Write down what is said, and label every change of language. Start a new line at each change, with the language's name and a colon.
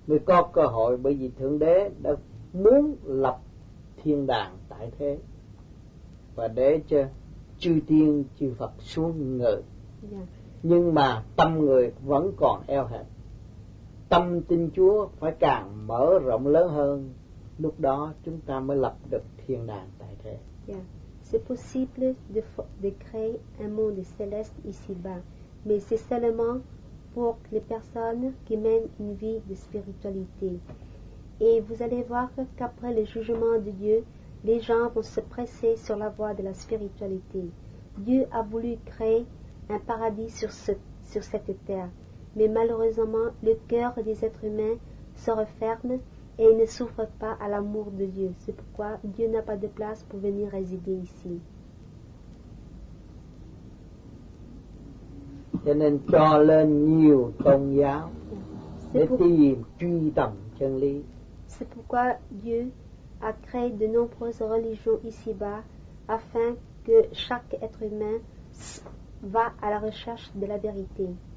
Vietnamese: Mới có cơ hội, bởi vì Thượng Đế đã muốn lập thiên đàng tại thế và để cho chư tiên chư Phật xuống ngự. Yeah. Nhưng mà tâm người vẫn còn eo hẹp. tâm tin Chúa phải càng mở rộng lớn hơn, lúc đó chúng ta mới lập được thiên đàng tại thế. Yeah.
French: C'est possible de créer un monde céleste ici-bas, mais c'est seulement pour les personnes qui mènent une vie de spiritualité. Et vous allez voir qu'après le jugement de Dieu, les gens vont se presser sur la voie de la spiritualité. Dieu a voulu créer un paradis sur cette terre, mais malheureusement, le cœur des êtres humains se referme et ne souffre pas à l'amour de Dieu. C'est pourquoi Dieu n'a pas de place pour venir résider ici.
Vietnamese: Cho nên cho lên nhiều tôn giáo để tìm truy tầm chân lý.
French: C'est pourquoi Dieu a créé de nombreuses religions ici-bas afin que chaque être humain va à la recherche de la vérité.